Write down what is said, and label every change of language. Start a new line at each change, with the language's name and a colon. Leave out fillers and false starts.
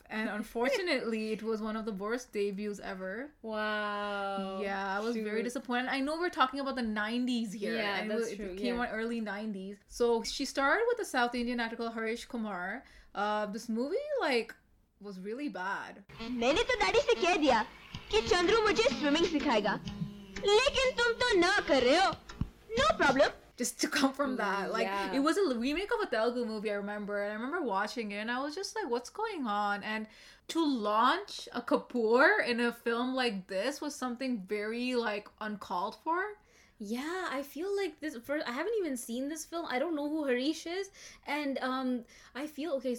English: And unfortunately, it was one of the worst debuts ever. Wow. Yeah, I was very disappointed. I know we're talking about the 90s here. Yeah, that's true. It came on early 90s. So she starred with a South Indian actor called Harish Kumar. This movie, like, was really bad.
Hindi: कि चंद्रू मुझे swimming सिखाएगा लेकिन तुम तो ना कर रहे हो
English: No problem Just to come from that, like yeah. it was a remake of a Telugu movie. I remember watching it, and I was just like, "What's going on?" And to launch a Kapoor in a film like this was something very like uncalled for. Yeah, I feel like this. First, I haven't even seen this film. I don't know who Harish is, and I feel okay.